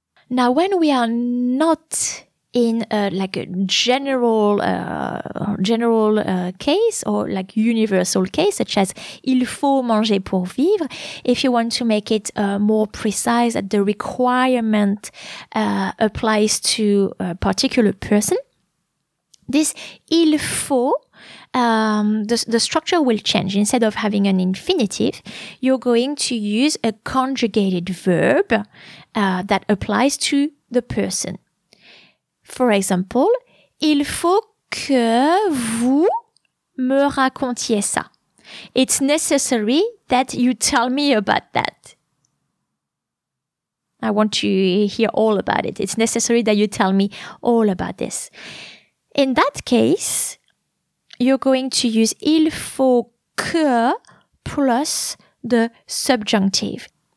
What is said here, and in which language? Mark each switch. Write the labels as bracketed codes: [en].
[en] Now, when we are not in a general case or like universal case, such as [fr] il faut manger pour vivre, [en] if you want to make it more precise that the requirement applies to a particular person, this il faut, the structure will change. Instead of having an infinitive, you're going to use a conjugated verb that applies to the person. [fr] For example, il faut que vous me racontiez ça. [en] It's necessary that you tell me about that. I want to hear all about it. It's necessary that you tell me all about this. In that case, you're going to use il faut que plus the subjunctive.